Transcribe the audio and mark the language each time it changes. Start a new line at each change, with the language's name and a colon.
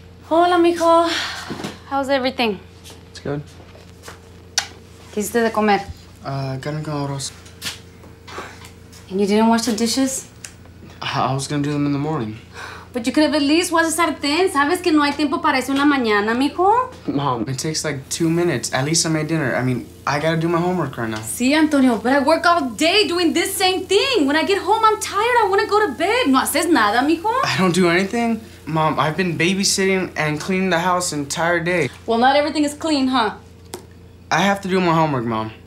Spanish: Hola, mijo.
English: How's everything? It's good.
Spanish: ¿Qué hiciste de comer? Carne con arroz.
English: And you didn't wash the dishes? I was gonna do them in the morning. But you could have at least washed the sartén.
Spanish: ¿Sabes que no hay tiempo para eso en la mañana, mijo?
English: Mom, it takes like 2 minutes. At least I made dinner. I mean, I gotta do my homework right now.
Spanish: Sí,
English: Antonio, but I work all day doing this same thing. When I get home, I'm tired. I wanna go to bed.
Spanish: No haces nada, mijo?
English: I don't do anything. Mom, I've been babysitting and cleaning the house the entire day. Well, not everything is clean, huh? I have to do my homework, Mom.